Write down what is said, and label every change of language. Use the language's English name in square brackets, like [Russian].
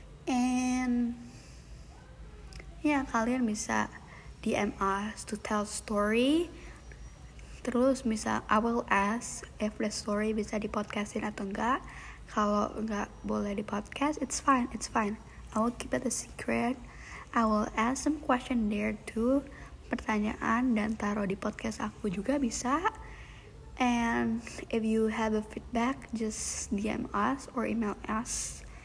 [English] And yeah, [Indonesian] kalian bisa [English] DM us to tell story. [Indonesian] Terus bisa [English] I will ask if the story [Indonesian] bisa di podcastin atau enggak. Kalau enggak boleh di podcast, [English] it's fine, it's fine. I will keep it a secret. I will ask some question there too. [Indonesian] Pertanyaan dan taruh di podcast aku juga bisa. [English] And if you have a feedback, just DM us or email us.